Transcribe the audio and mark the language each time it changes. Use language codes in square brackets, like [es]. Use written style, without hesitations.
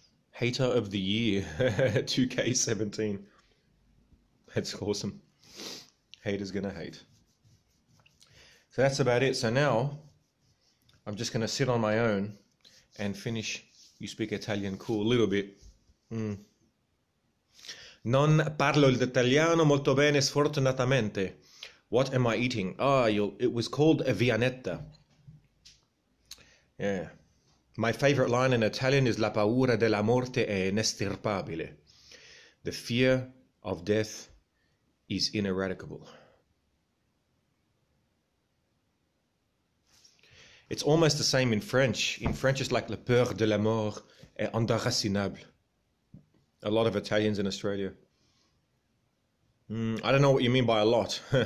[en] Hater of the year, 2K17. That's awesome. Haters gonna hate. That's about it. So now I'm just gonna sit on my own and finish. You speak Italian cool a little bit. [it] Non parlo l'italiano molto bene, sfortunatamente. [en] What am I eating? It was called a vianetta. Yeah. My favorite line in Italian is [it] La paura della morte è inestirpabile. [en] The fear of death is ineradicable. It's almost the same in French. In French, it's like [fr] La peur de la mort est indéracinable. [en] A lot of Italians in Australia. I don't know what you mean by a lot.